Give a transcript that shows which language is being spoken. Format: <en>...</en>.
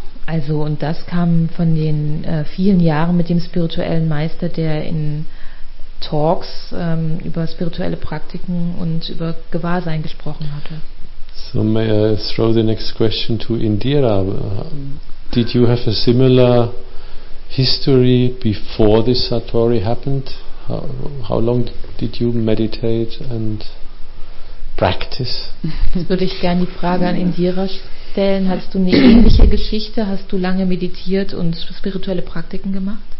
<de>Also, und das kam von den vielen Jahren mit dem spirituellen Meister, der in Talks über spirituelle Praktiken und über Gewahrsein gesprochen hatte.</de> <en>So may I throw the next question to Indira. Did you have a similar history before this Satori happened? How long did you meditate and practice?</en> <de>Jetzt würde ich gerne die Frage an Indira stellen. Hast du eine ähnliche Geschichte? Hast du lange meditiert und spirituelle Praktiken gemacht?</de>